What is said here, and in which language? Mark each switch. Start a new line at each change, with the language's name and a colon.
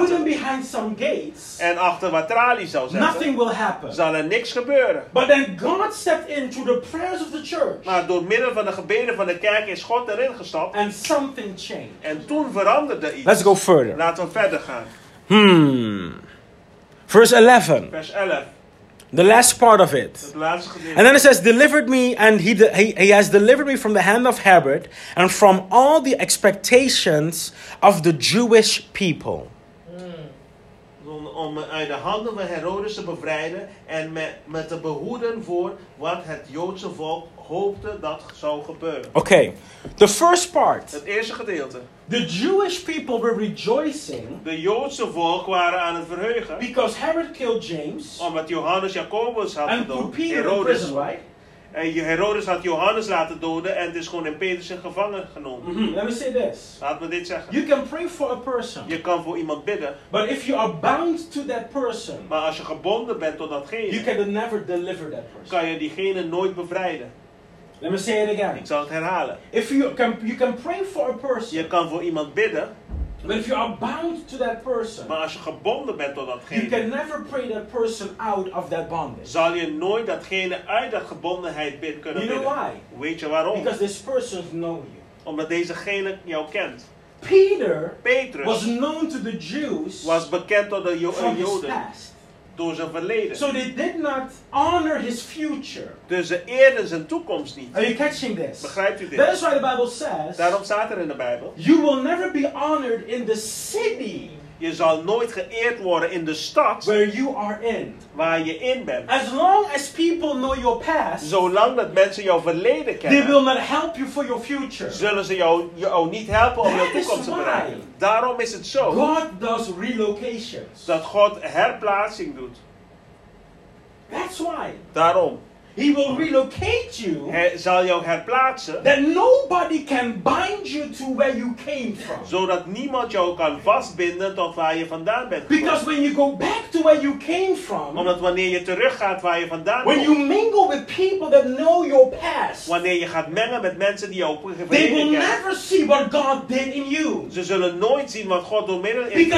English: Put him behind some gates.
Dutch: En achter wat tralies zou zetten.
English: Nothing will happen.
Dutch: Zal er niks gebeuren.
English: But then God stepped in through the prayers of the church.
Dutch: Maar door middel van de gebeden van de kerk is God erin gestapt.
English: And something changed.
Dutch: En toen veranderde iets.
English: Let's go further.
Dutch: Laten we verder gaan.
English: Verse 11.
Dutch: Vers 11.
English: The last part of it. And then it says, delivered me, and he has delivered me from the hand of Herod and from all the expectations of the Jewish people.
Dutch: Om uit de handen van Herodes te bevrijden en me te behoeden voor wat het Joodse volk hoopte dat zou gebeuren.
English: Okay, the first part.
Dutch: Het eerste gedeelte.
English: The Jewish people were rejoicing.
Dutch: De Joodse volk waren aan het verheugen.
English: Because Herod killed James.
Dutch: Omdat Johannes Jacobus had gedood.
English: And Herodes. In prison, right?
Dutch: En Herodes had Johannes laten doden en het is gewoon in Petrus in gevangen genomen.
English: Mm-hmm. Let me say this.
Dutch: Laat me dit zeggen.
English: You can pray for a person.
Dutch: Je kan voor iemand bidden.
English: But if you are bound to that person.
Dutch: Maar als je gebonden bent tot datgene.
English: You can never deliver that person.
Dutch: Kan je diegene nooit bevrijden.
English: Let me say it again.
Dutch: Ik zal het herhalen.
English: If you can pray for a person.
Dutch: Je kan voor iemand bidden.
English: But if you are bound to that person,
Dutch: maar als je gebonden bent tot datgene,
English: you can never pray that person out of that bondage.
Dutch: Zal je nooit datgene uit de gebondenheid kunnen bidden.
English: You know why?
Dutch: Weet je waarom?
English: Because this person knows you.
Dutch: Omdat dezegene jou kent.
English: Petrus was known to the Jews.
Dutch: Was bekend tot de Joden.
English: From his past.
Dutch: Door zijn verleden.
English: So they did not honor his future.
Dutch: Dus ze eerden zijn toekomst niet.
English: Are you catching this?
Dutch: Begrijpt u dit?
English: That is why the Bible says.
Dutch: Daarom staat er in de Bijbel.
English: You will never be honored in the city.
Dutch: Je zal nooit geëerd worden in de stad.
English: Where you are in.
Dutch: Waar je in bent.
English: As long as people know your past.
Dutch: Zolang dat mensen jouw verleden kennen.
English: They will not help you for your future.
Dutch: Zullen ze jou niet helpen om
English: That
Dutch: jouw toekomst
English: is
Dutch: te
English: why.
Dutch: Bereiken. Daarom is het zo.
English: God does relocations.
Dutch: Dat God herplaatsing doet.
English: That's why.
Dutch: Daarom.
English: He will relocate you.
Dutch: Hij zal jou herplaatsen.
English: That nobody can bind you to where you came from.
Dutch: Zodat niemand jou kan vastbinden tot waar je vandaan bent.
English: Because when you go back to where you came from.
Dutch: Omdat wanneer je teruggaat waar je vandaan
English: when
Dutch: komt.
English: When you mingle with people that know your past.
Dutch: Wanneer je gaat mengen met mensen die jou verleden kennen.
English: They will never see what God did in you.
Dutch: Ze zullen nooit zien wat God door middel in jou